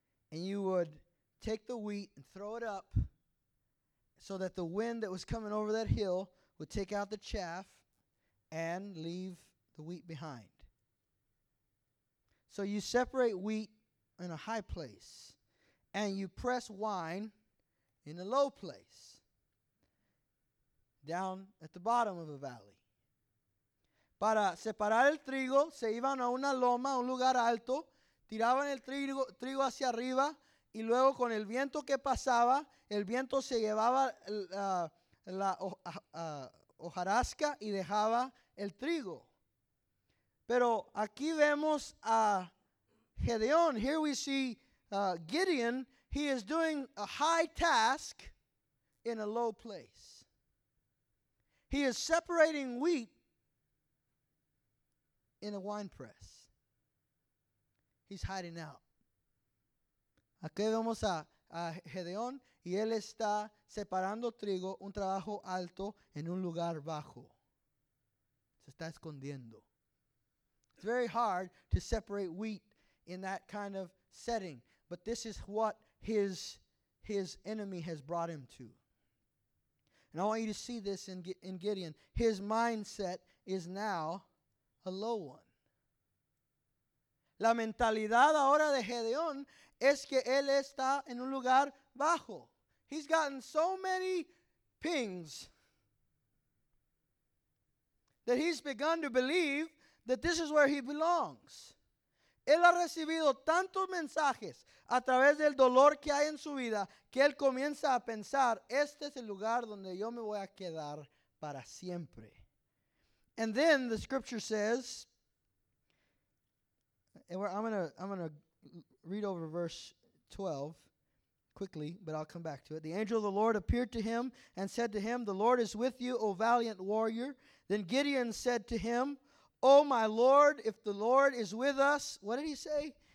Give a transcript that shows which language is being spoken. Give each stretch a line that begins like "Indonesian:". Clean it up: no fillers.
English: And you would take the wheat and throw it up so that the wind that was coming over that hill would take out the chaff and leave the wheat behind. So you separate wheat in a high place, and you press wine in a low place, down at the bottom of a valley.
Spanish: Para separar el trigo, se iban a una loma, un lugar alto, tiraban el trigo hacia arriba, y luego con el viento que pasaba, el viento se llevaba la hojarasca y dejaba el trigo. Pero aquí vemos a Gedeón.
English: Here we see Gideon. He is doing a high task in a low place. He is separating wheat in a wine press. He's hiding out.
Spanish: Aquí vemos a Gedeón y él está separando trigo, un trabajo alto, en un lugar bajo. Se está escondiendo.
English: It's very hard to separate wheat in that kind of setting, but this is what his enemy has brought him to. And I want you to see this in Gideon. His mindset is now a low one.
Spanish: La mentalidad ahora de Gedeón es que él está en un lugar bajo.
English: He's gotten so many pings that he's begun to believe that this is where he belongs.
Spanish: Él ha recibido tantos mensajes a través del dolor que hay en su vida que él comienza a pensar, este es el lugar donde yo me voy a quedar para siempre.
English: And then the scripture says, and I'm gonna read over verse 12 quickly, but I'll come back to it. The angel of the Lord appeared to him and said to him, "The Lord is with you, O valiant warrior." Then Gideon said to him, "Oh, my Lord, if the Lord is with us," what did he say?